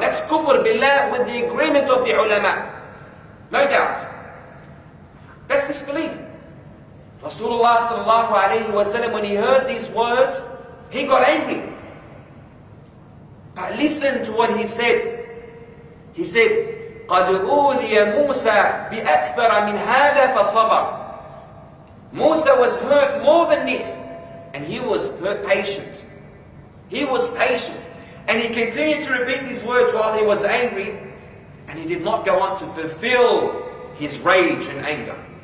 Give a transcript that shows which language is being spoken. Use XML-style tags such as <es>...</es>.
<en>That's kufr billah with the agreement of the ulama. No doubt. That's disbelief. Rasulullah sallallahu alayhi wa sallam, when he heard these words, he got angry. But listen to what he said. He said,</en> <ar>قَدْ أُوذِيَ مُوسَى بِأَكْثَرَ مِنْ هَذَا فَصَبَرْ.</ar> <en>Musa was hurt more than this, and he was patient. He was patient. And he continued to repeat these words while he was angry, and he did not go on to fulfill his rage and anger.</en>